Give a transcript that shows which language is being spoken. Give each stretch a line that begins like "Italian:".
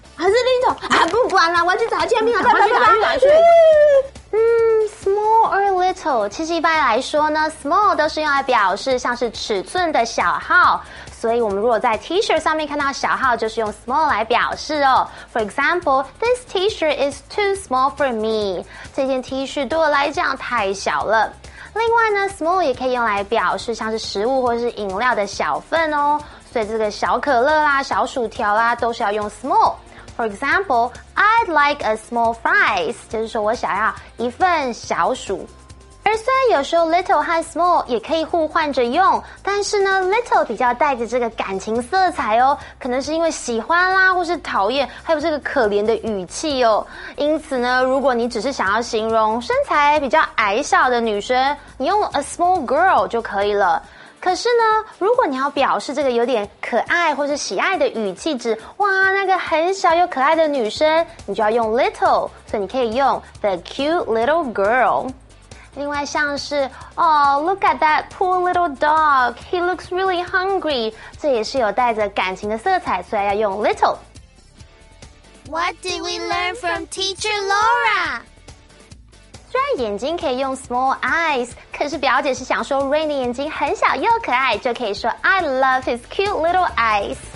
Chinese: 还是Little？不管了，我要去找签名了，快去！ small or little， 其实一般来说呢 ，small 都是用来表示像是尺寸的小号，所以我们如果在 T-shirt 上面看到小号，就是用 small 来表示哦。
English: For example， this T-shirt is too small for me，
Chinese: 这件 T 恤对我来讲太小了。另外呢 ，small 也可以用来表示像是食物或是饮料的小份哦，所以这个小可乐啦、小薯条啦，都是要用 small。
English: For example, I'd like a small fries，
Chinese: 就是说我想要一份小薯。而虽然有时候 little 和 small 也可以互换着用，但是呢 little 比较带着这个感情色彩哦，可能是因为喜欢啦，或是讨厌，还有这个可怜的语气哦。因此呢，如果你只是想要形容身材比较矮小的女生，你用
English: a small girl
Chinese: 就可以了。可是呢，如果你要表示这个有点可爱或是喜爱的语气，指哇那个很小又可爱的女生，你就要用 little， 所以你可以用
English: the cute little girl。另外像是 Oh look at that poor little dog， he looks really hungry，
Chinese: 这也是有带着感情的色彩，所以要用 little。
English: What did we learn from teacher Laura？
Chinese: 虽然眼睛可以用 small eyes， 可是表姐是想说 Rain 的眼睛很小又可爱，就可以说
English: I love his cute little eyes。